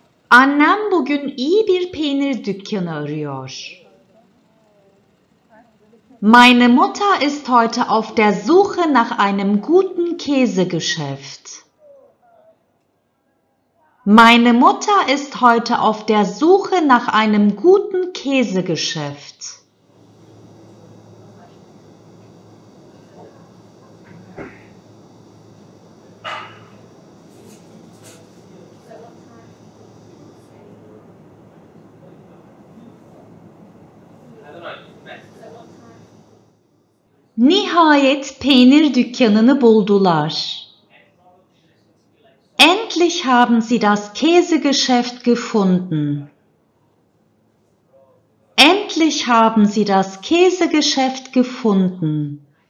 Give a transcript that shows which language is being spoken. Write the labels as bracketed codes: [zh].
[tr] Annem bugün iyi bir peynir dükkanı arıyor. [de] Meine Mutter ist heute auf der Suche nach einem guten Käsegeschäft. Meine Mutter ist heute auf der Suche nach einem guten Käsegeschäft. [tr] Nihayet peynir dükkanını buldular. [de] Endlich haben sie das Käsegeschäft gefunden. Endlich haben sie das Käsegeschäft gefunden.